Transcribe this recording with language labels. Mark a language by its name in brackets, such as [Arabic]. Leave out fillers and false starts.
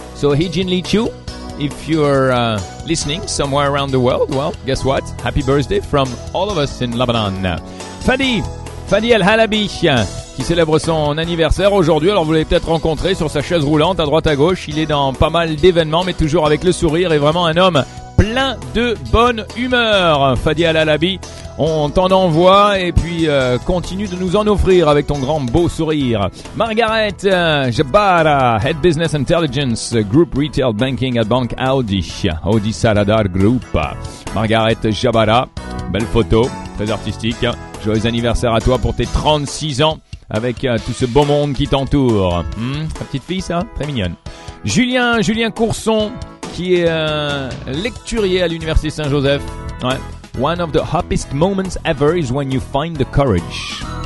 [English] So Hijin Lichu, if you're listening somewhere around the world, well, guess what? Happy birthday from all of us in Lebanon. [French] Fadi El Halabi, qui célèbre son anniversaire aujourd'hui. Alors, vous l'avez peut-être rencontré sur sa chaise roulante à droite à gauche. Il est dans pas mal d'événements, mais toujours avec le sourire et vraiment un homme plein de bonne humeur. Fadi El Halabi, on t'en envoie et puis continue de nous en offrir avec ton grand beau sourire. [English] Margaret Jabara, Head Business Intelligence, Group Retail Banking at Bank Audi, Audi Saladar Group. [French] Margaret Jabara, belle photo, très artistique. Joyeux anniversaire à toi pour tes 36 ans avec tout ce beau monde qui t'entoure. Ta petite fille ça, très mignonne. Julien Courson, qui est lecturier à l'Université Saint-Joseph. Ouais. [English] One of the happiest moments ever is when you find the courage.